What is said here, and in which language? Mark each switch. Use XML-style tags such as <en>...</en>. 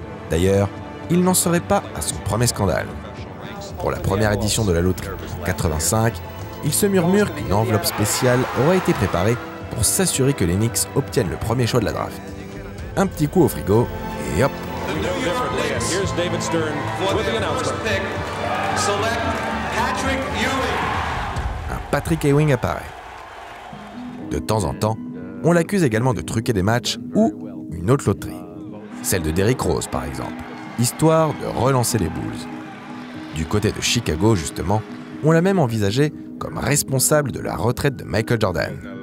<fr>D'ailleurs, il n'en serait pas à son premier scandale. Pour la première édition de la loterie en 85, il se murmure qu'une enveloppe spéciale aurait été préparée pour s'assurer que les Knicks obtiennent le premier choix de la draft. Un petit coup au frigo, et hop!</fr> <en>Here's David Stern with the announcement. Select Patrick Ewing.</en> <fr>Un Patrick Ewing apparaît. De temps en temps, on l'accuse également de truquer des matchs ou une autre loterie. Celle de Derrick Rose, par exemple, histoire de relancer les Bulls. Du côté de Chicago, justement, on l'a même envisagé comme responsable de la retraite de Michael Jordan.</fr>